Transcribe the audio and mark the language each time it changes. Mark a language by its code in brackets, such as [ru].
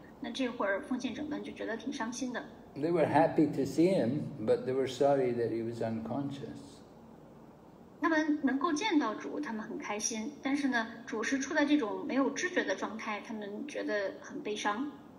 [zh] 那这会儿奉献者们就觉得挺伤心的。 [en] They were happy to see him, but they were sorry that he was unconscious. [zh] 他们能够见到主，他们很开心。但是呢，主是处在这种没有知觉的状态，他们觉得很悲伤。